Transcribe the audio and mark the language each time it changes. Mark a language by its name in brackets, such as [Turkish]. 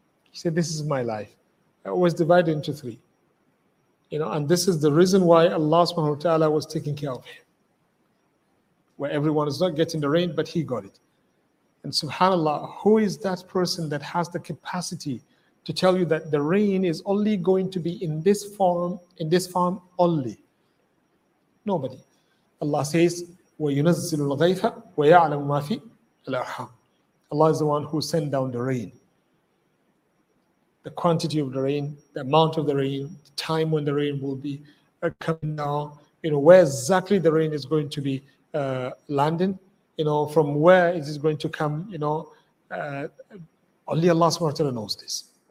[English] He said, this is my life. I always divide it into three. You know, and this is the reason why Allah subhanahu wa ta'ala was taking care of him. Where everyone is not getting the rain, but he got it. And subhanAllah, who is that person that has the capacity to tell you that the rain is only going to be in this form, in this farm only? Nobody. Allah says, [Arabic] وَيُنَزِّلُ الْغَيْثَ وَيَعْلَمُ مَا فِي al-arham. [English] Allah is the one who sent down the rain. The quantity of the rain, the amount of the rain, the time when the rain will be coming down, you know, where exactly the rain is going to be landing, you know, from where it is going to come, you know, only Allah subhanahu wa ta'ala knows this.